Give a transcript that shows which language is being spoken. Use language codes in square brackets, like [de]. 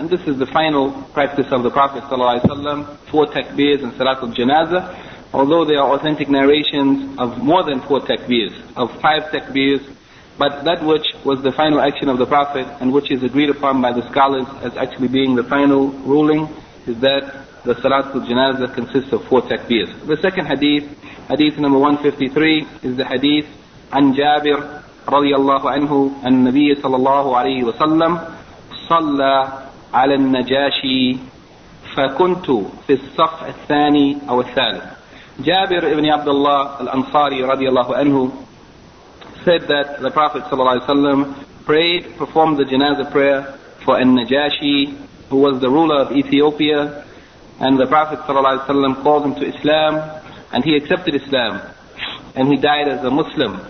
[en] And this is the final practice of the Prophet sallallahu alaihi wasallam, four takbirs and salatul janazah, although there are authentic narrations of more than four takbirs, of five takbirs, but that which was the final action of the Prophet and which is agreed upon by the scholars as actually being the final ruling is that the Salatul Janazah consists of four takbirs. [ar] The second hadith, hadith number 153, is the hadith عن جابر رضي الله عنه أن النبي صلى الله عليه وسلم صلى على النجاشي فكنت في الصف الثاني أو الثالث. [en] Jabir ibn Abdullah al-Ansari رضي الله عنه said that the Prophet صلى الله عليه وسلم prayed, performed the Janazah prayer for An-Najashi, who was the ruler of Ethiopia. And the Prophet ﷺ called him to Islam, and he accepted Islam, and he died as a Muslim.